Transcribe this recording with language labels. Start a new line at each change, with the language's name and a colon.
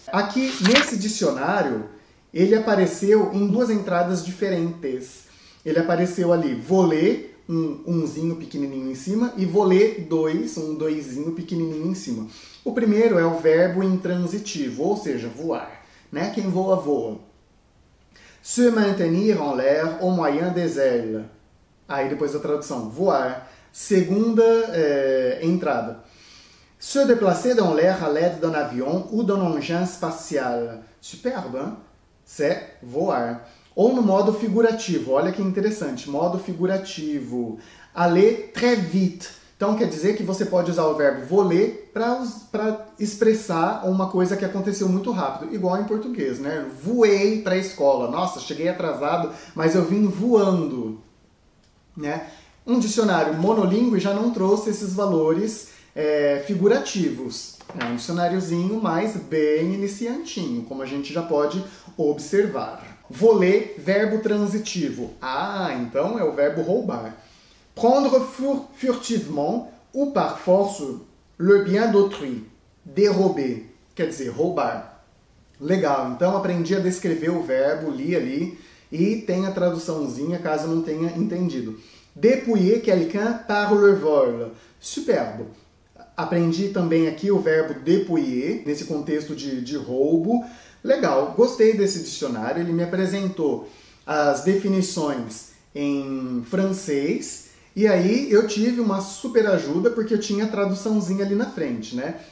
Portuguese: Aqui, nesse dicionário, ele apareceu em duas entradas diferentes. Ele apareceu ali, voler, um umzinho pequenininho em cima, e voler dois, um doizinho pequenininho em cima. O primeiro é o verbo intransitivo, ou seja, voar. né? Quem voa, voa.
French: Se maintenir en l'air au moyen des ailes.
Portuguese: Aí depois a tradução, voar. Segunda entrada.
French: Se déplacer dans l'air à l'aide d'un avion ou d'un engin spatial. Superbe, hein? C'est
Portuguese: voar. Ou no modo figurativo, olha que interessante, modo figurativo.
French: Aller très vite.
Portuguese: Então quer dizer que você pode usar o verbo voler para expressar uma coisa que aconteceu muito rápido, igual em português, né? Voei para a escola. Nossa, cheguei atrasado, mas eu vim voando, né? Um dicionário monolíngue já não trouxe esses valores figurativos. É um dicionáriozinho, mas bem iniciantinho, como a gente já pode observar. Voler, verbo transitivo. Ah, então é o verbo roubar.
French: Prendre furtivement ou par force le bien d'autrui.
Portuguese: Dérober, quer dizer, roubar. Legal, então aprendi a descrever o verbo, li ali, e tem a traduçãozinha caso não tenha entendido.
French: Dépouiller quelqu'un par le vol.
Portuguese: Superbo. Aprendi também aqui o verbo dépouiller, nesse contexto de roubo. Legal, gostei desse dicionário, ele me apresentou as definições em francês, e aí eu tive uma super ajuda, porque eu tinha a traduçãozinha ali na frente, né?